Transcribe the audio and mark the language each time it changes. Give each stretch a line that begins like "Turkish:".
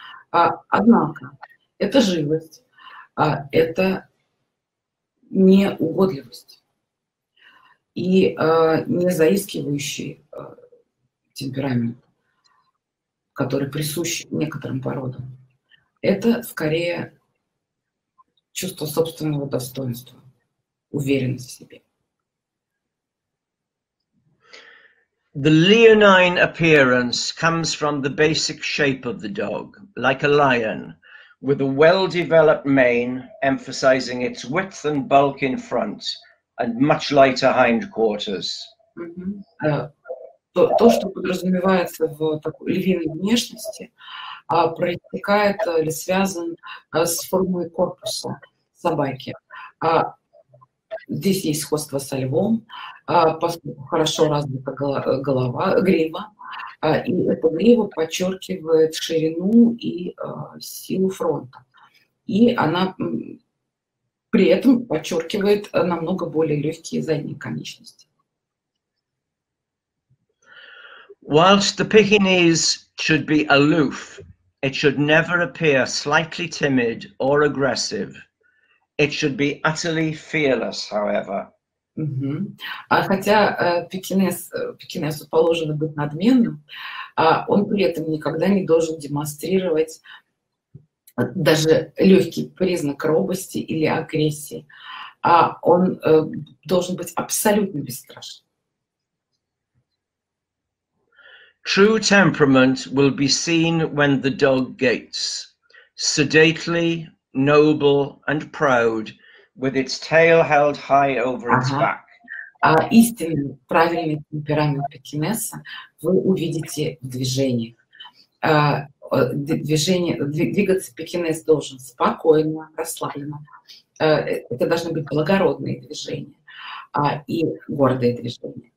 Russian: Однако, это живость, это не угодливость и не заискивающий темперамент, который присущ некоторым породам. Это скорее чувство собственного достоинства, уверенность в себе.
English: The leonine appearance comes from the basic shape of the dog, like a lion, with a well-developed mane, emphasizing its width and bulk in front, and much lighter hindquarters.
Russian: то, что подразумевается в такой львиной внешности, проистекает или связан с формой корпуса собаки. Здесь есть сходство со львом, хорошо развита голова, грива, и эта грива подчеркивает ширину и силу фронта. И она при этом подчеркивает намного более легкие задние конечности.
English: Whilst the Pekinese should be aloof, it should never appear slightly timid or aggressive. It should be utterly fearless, however.
Russian: Хотя Пекинесу положено быть надменным, он при этом никогда не должен демонстрировать даже легкий признак робости или агрессии. Он должен быть абсолютно бесстрашным.
English: True temperament will be seen when the dog gates, sedately, noble, and proud, with its tail held high over its back.
Russian: Истинный, правильный темперамент Пекинеса вы увидите в движениях. Двигаться Пекинес должен спокойно, расслабленно. Это должны быть благородные движения и гордые движения.